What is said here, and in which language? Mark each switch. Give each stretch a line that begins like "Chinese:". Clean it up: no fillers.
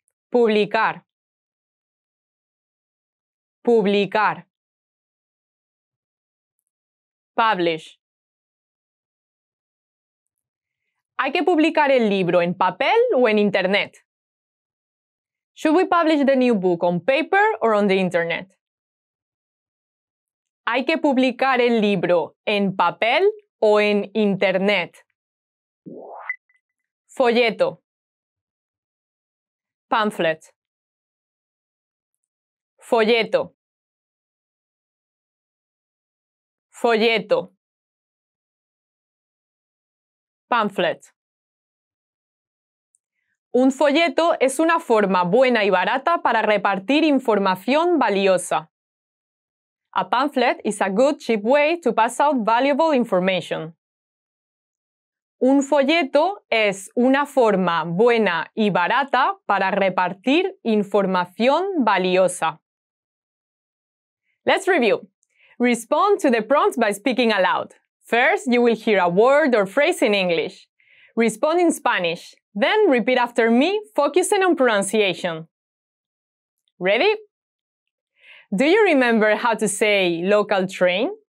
Spanish: Publicar. Publicar.
English: Publish.
Spanish: ¿Hay que publicar el libro en papel o en internet?
English: Should we publish the new book on paper or on the internet?
Spanish: ¿Hay que publicar el libro en papel o en internet? Folleto.
English: Pamphlet.
Spanish: Folleto. Folleto.
English: Pamphlet.
Spanish: Un folleto es una forma buena y barata para repartir información valiosa.
English: A pamphlet is a good, cheap way to pass out valuable information. Un folleto es una forma buena y barata para repartir información valiosa. Let's review. Respond to the prompts by speaking aloud. First, you will hear a word or phrase in English. Respond in Spanish. Then repeat after me, focusing on pronunciation. Ready? Do you remember how to say local train?